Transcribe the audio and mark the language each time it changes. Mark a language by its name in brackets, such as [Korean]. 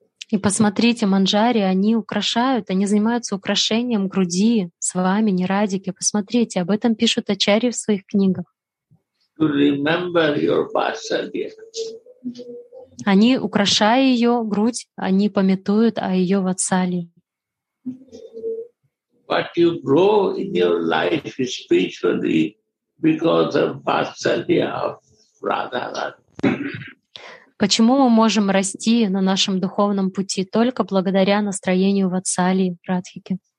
[Russian] И посмотрите, Манджари, они украшают, они занимаются украшением груди с вами, не Радики. Посмотрите, об этом пишут Ачарьи в своих книгах. [English] To remember your Vatsalya. [Russian] Они, украшая ее грудь, они памятуют о ее ватсале. [English] But you grow in your life spiritually because of vatsalya of Radharani. [Russian] Почему мы можем расти на нашем духовном пути только благодаря настроению ватсали Радхики?